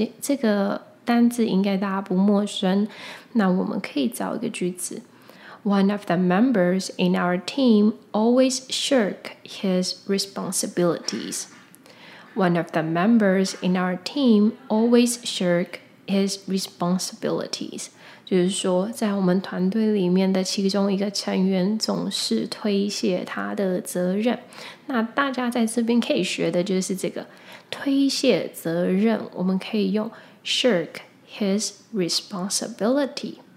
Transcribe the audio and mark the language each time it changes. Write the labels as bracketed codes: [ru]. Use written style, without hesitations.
[zh] 这个单词应该大家不陌生。那我们可以造一个句子， [en] One of the members in our team always shirk his responsibilities. One of the members in our team always shirk his responsibilities， [zh] 就是说在我们团队里面的其中一个成员总是推卸他的责任。那大家在这边可以学的就是这个推卸责任，我们可以用 [en] shirk his responsibility。